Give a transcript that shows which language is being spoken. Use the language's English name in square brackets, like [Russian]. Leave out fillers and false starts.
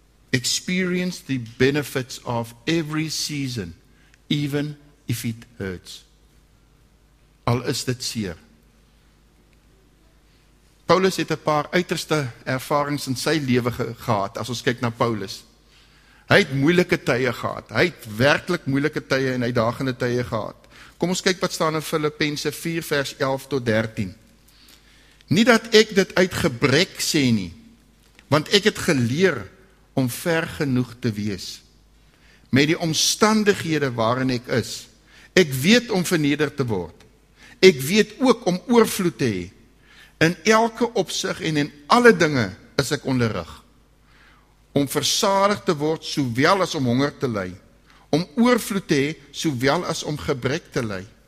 [English] Experience the benefits of every season, even if it hurts. [Afrikaans] Al is dit seer. Paulus het 'n paar uiterste ervarings in sy lewe gehad, as ons kyk na Paulus. Hy het moeilike tye gehad. Hy het werklik moeilike tye en uitdagende tye gehad. Kom ons kyk wat staan in Filippense 4 vers 11 tot 13. Nie dat ek dit uit gebrek sê nie, want ek het geleer om ver genoeg te wees met die omstandighede waarin ek is. Ek weet om vernederd te word. Ek weet ook om oorvloed te hê. In elke opsig en in alle dinge is ek onderrig. Om versadig te word, sowel as om honger te ly. Om oorvloed te hê, sowel as om gebrek te ly.